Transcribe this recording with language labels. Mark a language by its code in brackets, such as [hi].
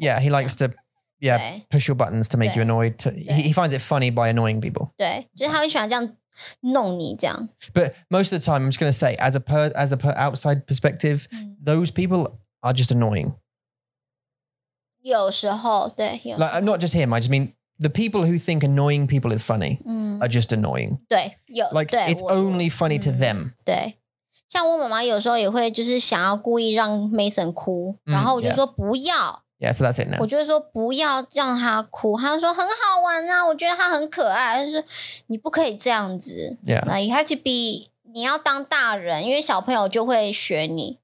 [en] Yeah, he likes to push your buttons to make you annoyed. He finds it funny by annoying people. [zh] 对, 就是他会喜欢这样弄你这样。 [en] But most of the time, I'm just going to say, as a outside perspective, those people are just annoying. [zh] 有时候, 对, 有时候. [en] Like, not just him, I just mean the people who think annoying people is funny are just annoying. [zh] 对, [en] like, [zh] 对, [en] it's only funny to them. [zh] 对, 像我妈妈有时候也会就是想要故意让Mason哭, 然后我就说不要。 [en] Yeah, so that's it now. [zh] 我就会说不要让他哭, 她就说很好玩啊, 我觉得他很可爱, 她就说你不可以这样子, [en] yeah. Like, you have to be, [zh] 你要当大人, 因为小朋友就会学你。